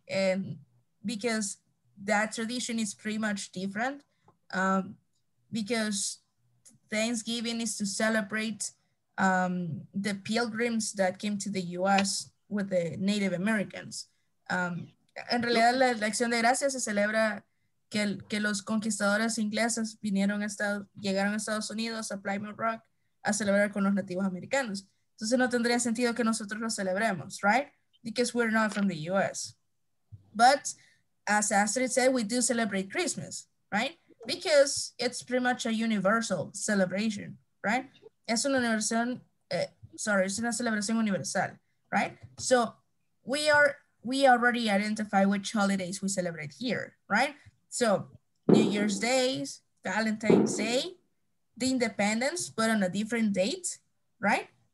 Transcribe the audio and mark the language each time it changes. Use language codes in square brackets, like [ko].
[en] And because that tradition is pretty much different, because Thanksgiving is to celebrate the pilgrims that came to the US with the Native Americans. [es] En realidad, la acción de gracias se celebra que los conquistadores ingleses llegaron a Estados Unidos, a Plymouth Rock, a celebrar con los nativos americanos. Entonces no tendría sentido que nosotros lo celebremos, right? [en] Because we're not from the US. But as Astrid said, we do celebrate Christmas, right? Because it's pretty much a universal celebration, right? [es] Es una celebración, es una celebración universal, right? [en] So we already identify which holidays we celebrate here, right? So New Year's Day, Valentine's Day, the Independence, but on a different date, right?